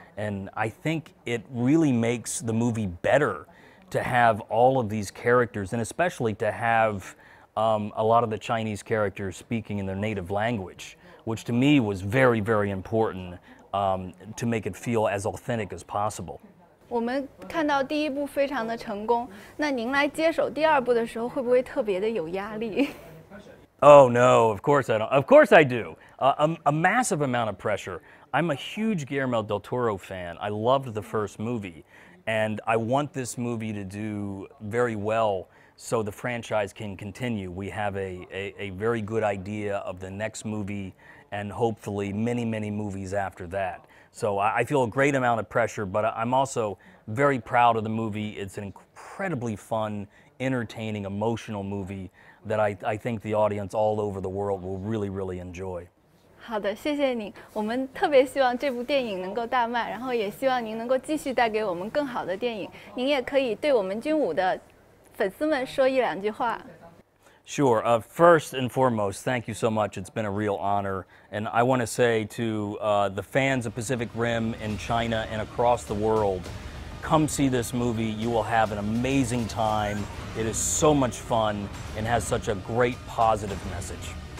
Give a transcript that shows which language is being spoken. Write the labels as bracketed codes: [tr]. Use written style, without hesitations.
[en] And I think it really makes the movie better. To have all of these characters, and especially to have a lot of the Chinese characters speaking in their native language, which to me was very, very important to make it feel as authentic as possible. [zh] 我们看到第一部非常的成功，那您来接手第二部的时候，会不会特别的有压力？ [en] Oh no, of course I don't. Of course I do. A massive amount of pressure. I'm a huge Guillermo del Toro fan. I loved the first movie. And I want this movie to do very well so the franchise can continue. We have a very good idea of the next movie and hopefully many, many movies after that. So I feel a great amount of pressure, but I'm also very proud of the movie. It's an incredibly fun, entertaining, emotional movie that I think the audience all over the world will really, really enjoy. [zh] 好的，谢谢您。我们特别希望这部电影能够大卖，然后也希望您能够继续带给我们更好的电影。您也可以对我们军武的粉丝们说一两句话。 [en] Sure. First and foremost, thank you so much. It's been a real honor. And I want to say to the fans of Pacific Rim in China and across the world, come see this movie. You will have an amazing time. It is so much fun and has such a great positive message.